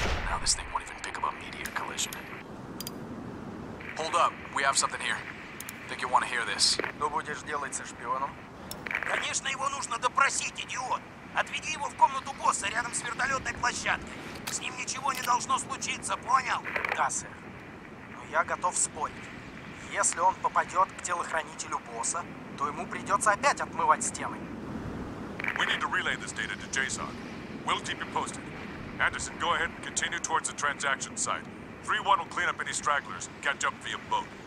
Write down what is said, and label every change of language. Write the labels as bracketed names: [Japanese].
[English] Now this thing won't even pick up a meteor collision. Hold up. We have something here. Think you'll want to hear this. [Russian] Ты будешь делать со шпионом? Конечно, его нужно допросить, идиот! Отведи его в комнату босса рядом с вертолетной площадкой. С ним ничего не должно случиться, понял? Да, сэр. Но я готов спорить. Если он попадет к телохранителю босса, то ему придется опять отмывать стены. [English] We need to relay this data to JSON. We'll keep you posted. Anderson, go ahead and continue towards the transaction site. 3-1 will clean up any stragglers and catch up via boat.